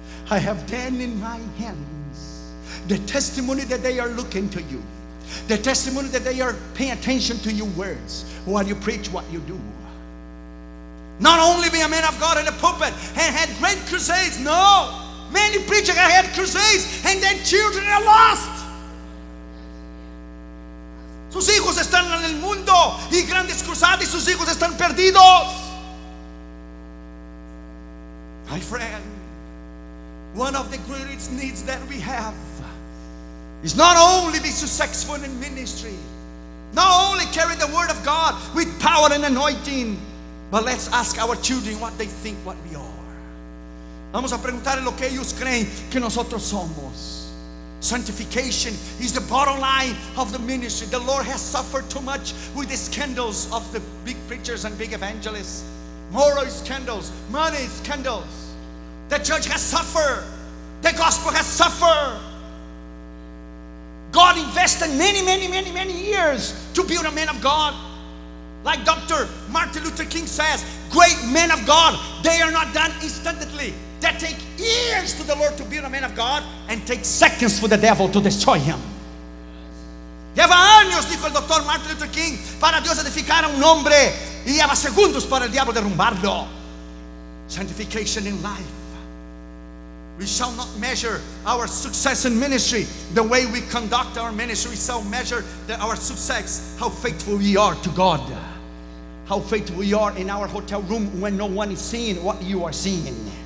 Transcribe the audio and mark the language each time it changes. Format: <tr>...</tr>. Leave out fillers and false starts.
<en>I have them in my hands. The testimony that they are looking to you. The testimony that they are paying attention to your words. What you preach, what you do. Not only be a man of God in the pulpit and had great crusades. No. Many preachers have had crusades and their children are lost.</en> <es>Sus hijos están en el mundo y grandes cruzadas y sus hijos están perdidos.</es> <en>My friend, one of the greatest needs that we have is not only be successful in ministry, not only carry the word of God with power and anointing, but let's ask our children what they think what we are.</en> <es>Vamos a preguntar lo que ellos creen que nosotros somos.</es> <en>Sanctification is the bottom line of the ministry. The Lord has suffered too much with the scandals of the big preachers and big evangelists. Moral scandals, money scandals. The church has suffered. The gospel has suffered. God invested many, many, many, many years to build a man of God. Like Dr. Martin Luther King says, great men of God, they are not done instantly. That take years to the Lord to build a man of God and take seconds for the devil to destroy him.</en> <es>Lleva años, dijo el Dr. Martin Luther King, para Dios edificar a un hombre y lleva segundos para el diablo derrumbarlo.</es> <en>Sanctification in life. We shall not measure our success in ministry the way we conduct our ministry. We shall measure our success, how faithful we are to God. How faithful we are in our hotel room when no one is seeing what you are seeing.</en>